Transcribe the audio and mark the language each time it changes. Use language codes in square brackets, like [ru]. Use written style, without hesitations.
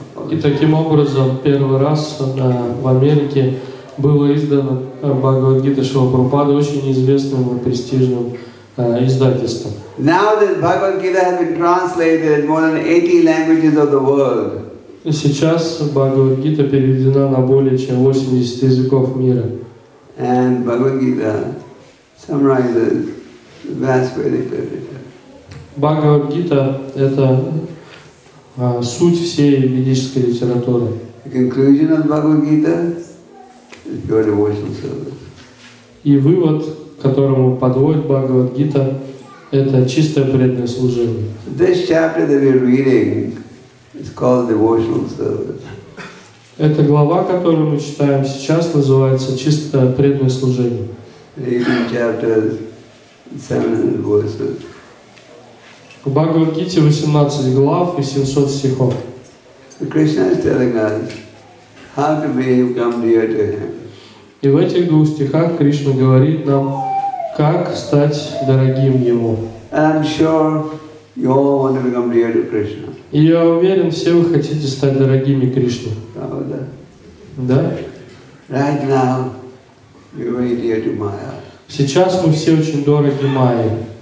[ru] И таким образом, первый раз в Америке было издано Бхагавад-гита Шрила Прабхупады очень известным и престижным издательством. [en] Now this Bhagavad-gita has been translated in more than 80 languages of the world. [ru] Сейчас Бхагавад-гита переведена на более чем 80 языков мира. [en] And Bhagavad-gita summarizes the vast Vedic literature. [ru] Бхагавад-гита — это суть всей ведической литературы. [en] The conclusion of Bhagavad-gita is pure devotional service. [ru] И вывод, к которому подводит Бхагавад-гита, это чистое преданное служение. [en] This chapter that we're reading is called devotional service. [ru] Эта глава, которую мы читаем сейчас, называется чистое преданное служение. [en] Reading chapters 700 verses. [ru] В Бхагавад-гите 18 глав и 700 стихов. [en] Krishna is telling us how to be who come near to him. [ru] И в этих двух стихах Кришна говорит нам, как стать дорогим ему. [en] I'm sure you all want to become dear to Krishna. [ru] И я уверен, все вы хотите стать дорогими Кришне. Правда? Да? [en] Right now you're very dear to Maya. [ru] Сейчас мы все очень дороги Майе.